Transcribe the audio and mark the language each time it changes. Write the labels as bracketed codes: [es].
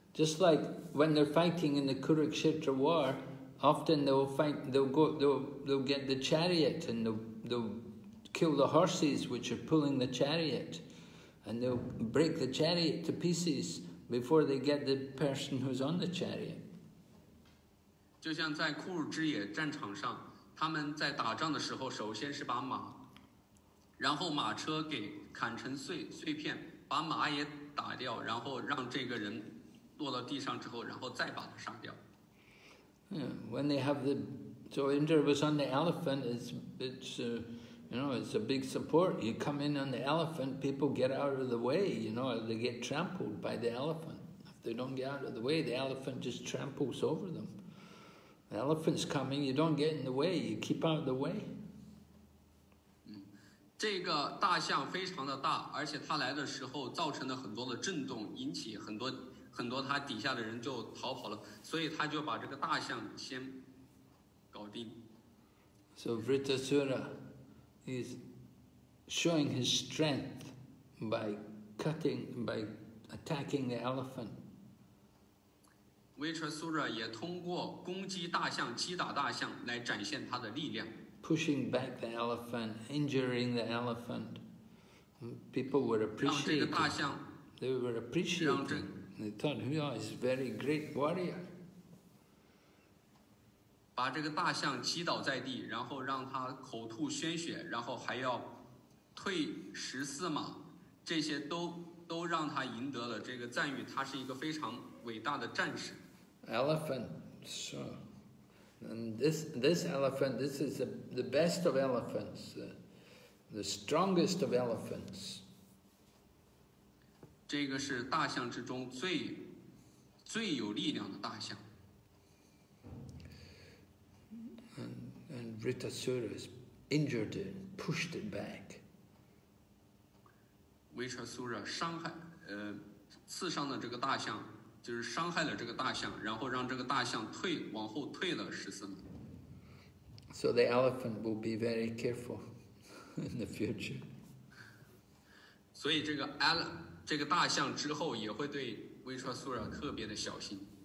[en] Just like when they're fighting in the Kurukshetra war, often they'll get the chariot and they'll kill the horses which are pulling the chariot, and they'll break the chariot to pieces before they get the person who's on the chariot. [zh] 就像在库鲁之野战场上。他们在打仗的时候，首先是把马，然后马车给砍成碎片，把马也打掉，然后让这个人落到地上之后，然后再把他杀掉。 [en] When they have the, so Indra was on the elephant, it's a big support. You come in on the elephant, people get out of the way, you know, they get trampled by the elephant. If they don't get out of the way, the elephant just tramples over them. The elephant's coming, you don't get in the way, you keep out of the way. [zh] 这个大象非常的大，而且它来的时候造成了很多的震动，引起很多很多它底下的人就逃跑了，所以他就把这个大象先搞定。 [en] So Vritasura is showing his strength by attacking the elephant. [zh] Vritasura 也通过攻击大象、击打大象来展现他的力量。 [en] Pushing back the elephant, injuring the elephant. People were appreciating. [zh] 让这个大象。 [en] They were appreciating. They thought, "Who is a very great warrior?" [zh] 把这个大象击倒在地，然后让他口吐鲜血，然后还要退14码，这些都让他赢得了这个赞誉。他是一个非常伟大的战士。 [en] Elephant, so And this elephant, this is the best of elephants, the strongest of elephants. [zh] 这个是大象之中最有力量的大象。 [en] And Vritasura injured it, pushed it back. [zh] Vritasura 伤害刺伤的这个大象，就是伤害了这个大象，然后让这个大象退往后退了十四米。 [en] So the elephant will be very careful in the future. [zh] 所以这个大象之后也会对威彻苏拉特别的小心。